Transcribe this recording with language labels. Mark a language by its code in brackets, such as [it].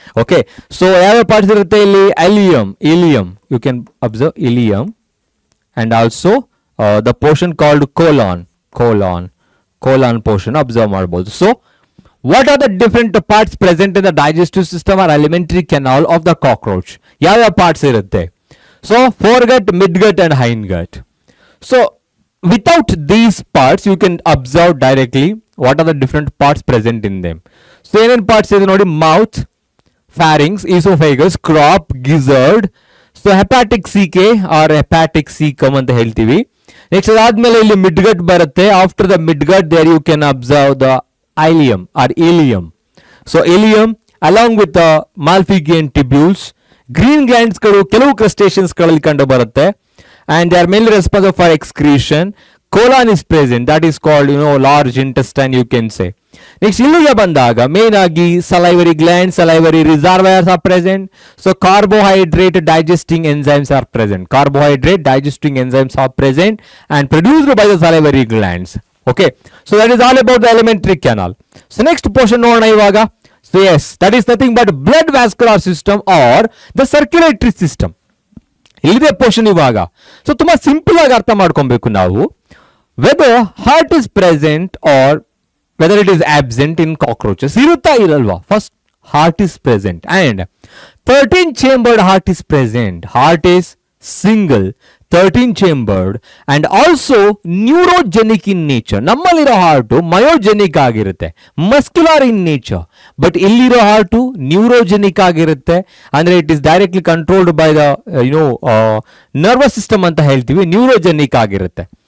[en] okay, so [kn] ಯಾವ parts ಇರುತ್ತೆ ಇಲ್ಲಿ? [en] Ileum, ileum, you can observe ileum. And also the portion called colon, colon, colon portion observe ಮಾಡಬಹುದು. So what are the different parts present in the digestive system or alimentary canal of the cockroach? [kn] ಯಾವ್ಯಾವ parts ಇರುತ್ತೆ? [en] So, foregut, midgut and hindgut. So, without these parts, you can observe directly what are the different parts present in them. So, in and parts, you know, mouth, pharynx, esophagus, crop, gizzard. So, hepatic CK or hepatic cecum and the healthy way. Next, [kn] aadmele illi midgut barate. [en] After the midgut, there you can observe the ileum or ileum. So, ileum along with the Malpighian tubules. [kn] Green glands ಗಳು ಕೆಲವು ಕ್ರಸ್ಟೇಷನ್ಸ್ ಗಳಲ್ಲಿ ಕಂಡು ಬರುತ್ತೆ. [en] And they are mainly responsible for excretion. Colon is present, that is called you know large intestine, you can say. [kn] Next ಇಲ್ಲಿಗೆ ಬಂದಾಗ main ಆಗಿ salivary gland, [en] Salivary reservoirs are present. So carbohydrate digesting enzymes are present, carbohydrate digesting enzymes are present and produced by the salivary glands. Okay, so that is all about the alimentary canal. [kn] So next portion ನೋಡೋಣ ಇವಾಗ. [en] So yes, that is nothing but blood vascular system or the circulatory system. [kn] ಇಲ್ಲಿದೆ portion ಇವಾಗ. So ತುಂಬಾ simple ಆಗಿ ಅರ್ಥ ಮಾಡ್ಕೊಬೇಕು ನಾವು. [en] whether heart is present or whether it is absent in cockroaches, [kn] ಇರುತ್ತಾ ಇರಲ್ವಾ? [en] First heart is present and 13 chambered heart is present. Heart is single. 13 chambered and also neurogenic in nature. [kn] Nammaliro heart myogenic agirutte, [en] muscular in nature, but [kn] illiro heart neurogenic agirutte, andre [en] it is directly controlled by the nervous system [kn] anta heltivi, neurogenic agirutte.